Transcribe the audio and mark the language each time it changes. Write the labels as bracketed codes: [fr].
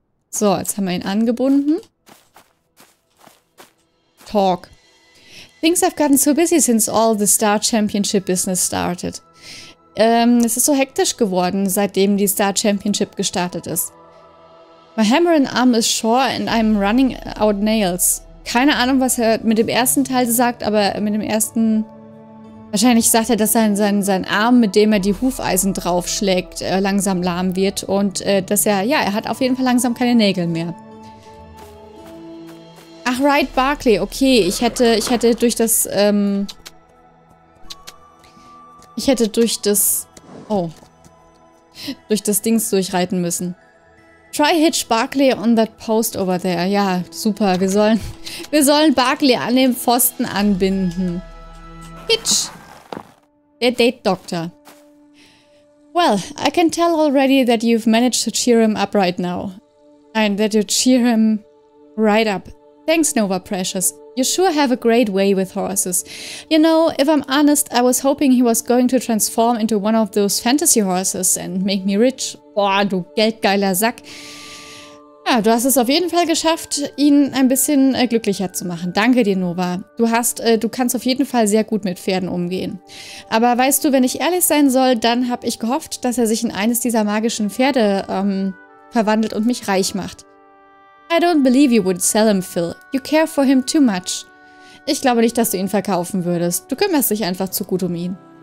[de] So, jetzt haben wir ihn angebunden. [en] Talk. Things have gotten so busy since all the Star Championship business started. [de] Es ist so hektisch geworden, seitdem die Star Championship gestartet ist. [en] My hammer and arm is sure and I'm running out nails. [de] Keine Ahnung, was er mit dem ersten Teil sagt, aber mit dem ersten... Wahrscheinlich sagt er, dass sein Arm, mit dem er die Hufeisen draufschlägt, langsam lahm wird. Und dass er, ja, er hat auf jeden Fall langsam keine Nägel mehr. Ach, [en] right, [de] Barclay. Okay, ich hätte durch das... Oh. Durch das Dings durchreiten müssen. [en] Try hitch Barclay on that post over there. [de] Ja, super. Wir sollen Barclay an dem Pfosten anbinden. Hitch. Der Date-Doktor. [en] Well, I can tell already that you've managed to cheer him up right now. And that you cheer him right up. Thanks, Nova Precious. You sure have a great way with horses. You know, if I'm honest, I was hoping he was going to transform into one of those fantasy horses and make me rich. [de] Boah, du geldgeiler Sack. Ja, du hast es auf jeden Fall geschafft, ihn ein bisschen glücklicher zu machen. Danke dir, Nova. Du kannst auf jeden Fall sehr gut mit Pferden umgehen. Aber weißt du, wenn ich ehrlich sein soll, dann habe ich gehofft, dass er sich in eines dieser magischen Pferde verwandelt und mich reich macht. [en] I don't believe you would sell him, Phil. You care for him too much. [de] Ich glaube nicht, dass du ihn verkaufen würdest. Du kümmerst dich einfach zu gut um ihn.